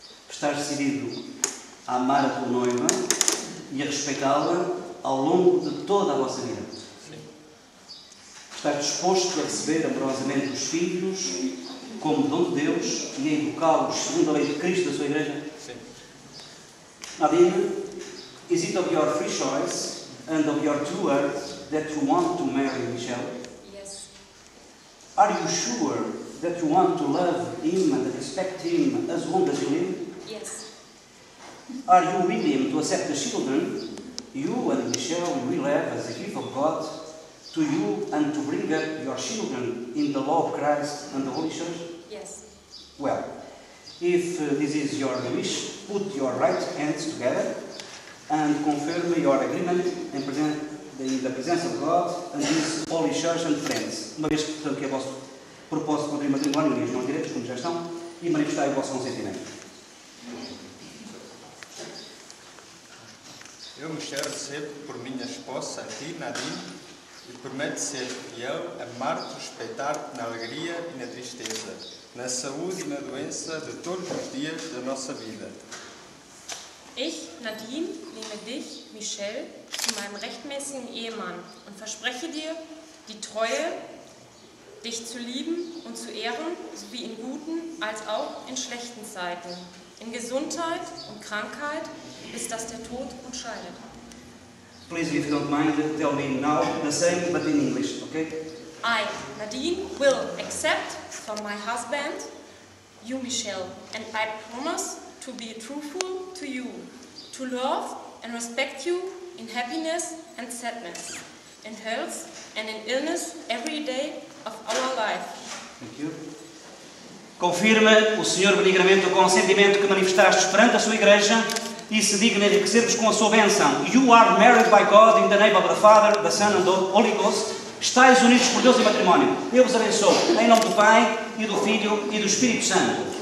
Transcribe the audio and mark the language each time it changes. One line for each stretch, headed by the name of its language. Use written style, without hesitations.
Portuguese: Estás decidido a amar a tua noiva e a respeitá-la ao longo de toda a vossa vida? Sim. Estás disposto a receber amorosamente os filhos como dom de Deus e a educá-los segundo a lei de Cristo da sua Igreja? Sim.
English: Nadine, is it of your free choice and of your true heart that you want to marry Michel? Yes. Are you sure that you want to love him and respect him as long as you live? Yes. Are you willing to accept the children you and Michel will have as a gift of God to you and to bring up your children in the law of Christ and the Holy Church? Yes. Well, if this is your wish, put your right hands together and confirm your agreement in the presence of God and this Holy Church and friends.
Portuguese: Uma vez que portanto, é o vosso propósito de matrimónio, e as mãos direitos, como já estão, e manifestar o vosso consentimento. Eu, Michel, recebo por minha esposa aqui, Nadine, e prometo ser fiel, amar-te, respeitar-te na alegria e na tristeza, na saúde e na doença de todos os dias da nossa vida.
German: Ich, Nadine, nehme dich, Michel, zu meinem rechtmäßigen Ehemann und verspreche dir die Treue, dich zu lieben und zu ehren, sowie in guten als auch in schlechten Zeiten. In Gesundheit und Krankheit ist das der Tod und scheidet.
English: Please, if you don't mind, tell me now the same, but in English, okay? I, Nadine, will accept from my husband, you, Michel, and I promise to be truthful to you, to love and respect you in happiness and sadness, in health and in illness every day of our life. Thank you.
Portuguese: Confirma o Senhor benignamente o consentimento que manifestaste perante a sua Igreja e se digna enriquecer-vos com a sua bênção.
English: You are married by God in the name of the Father, the Son and the Holy Ghost.
Portuguese: Estais unidos por Deus em matrimónio. Eu vos abençoo em nome do Pai e do Filho e do Espírito Santo.